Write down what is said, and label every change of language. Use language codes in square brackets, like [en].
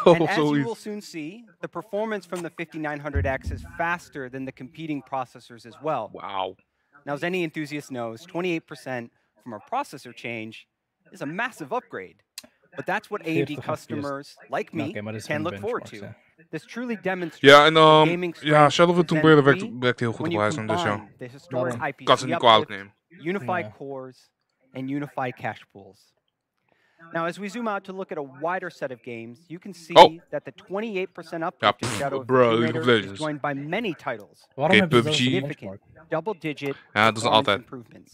[en] And as you will soon see, the performance from the 5900X is faster than the competing processors as well. Wow. Now, as any enthusiast knows, 28% from a processor change is a massive upgrade. But that's what AMD customers like me can look forward to. This truly demonstrates gaming [nl] Shadow of the Tomb Raider werkt heel goed op Ryzen, dus ja. Kan ze niet kwalijk nemen. [en] Unified cores and unified cache pools. Now, as we zoom out to look at a wider set of games, you can see that the 28% uplift in Shadow of the Tomb Raider is joined by many titles. Okay, PUBG. Double-digit improvements.